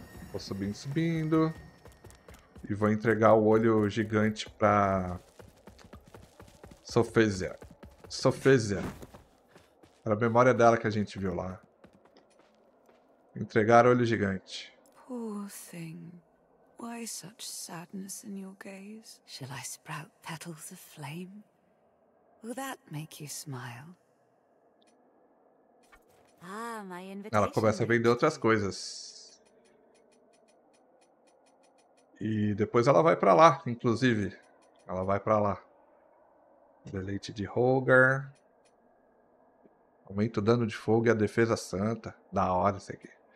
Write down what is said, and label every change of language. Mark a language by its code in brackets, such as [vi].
[pt] Vou subindo, subindo. E vou entregar o olho gigante pra Sophesia. Sophesia. Era a memória dela que a gente viu lá. Entregar olho gigante. [en] Poor thing. Why such sadness in your gaze? Shall I sprout petals of flame? Will that make you smile? Ah, my invitation. [pt] Ela começa a vender outras coisas. E depois ela vai pra lá, inclusive. Ela vai pra lá. Deleite de Holger. Aumenta o dano de fogo e a defesa santa. Da hora isso aqui.